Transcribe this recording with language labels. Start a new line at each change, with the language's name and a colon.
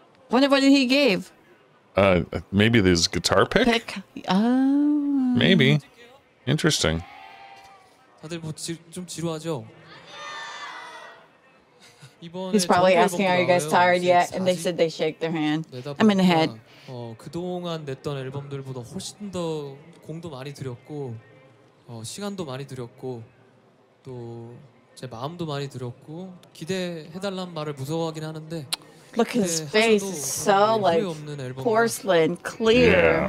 English: Wonder what did he gave? Maybe this guitar pick? Pick. Oh. Maybe. Interesting.
Korean: 다들 뭐 좀 지루하죠?
English: He's probably asking, are you guys tired yet? And they said they shake their hand. I'm in the head.
Korean: 그동안 냈던 앨범들보다 훨씬 더 공도 많이 들였고 시간도 많이 들였고 또 제 마음도 많이 들였고 기대해달란 말을 무서워하긴 하는데
English: Look at his face. So like porcelain, clear.